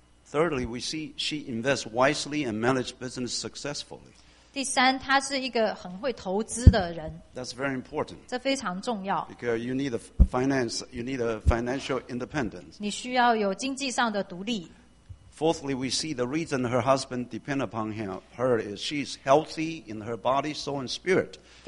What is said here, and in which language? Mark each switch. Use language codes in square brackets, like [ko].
[en] Thirdly, we see she invests wisely and manages business successfully. [zh] 第三,她是一个很会投资的人。 [en] That's very important. [zh] 这非常重要。 [en] Because you need a finance, you need a financial independence. [zh] 你需要有经济上的独立。 [en] Fourthly, we see the reason her husband depends upon her is she's healthy in her body, soul, and spirit.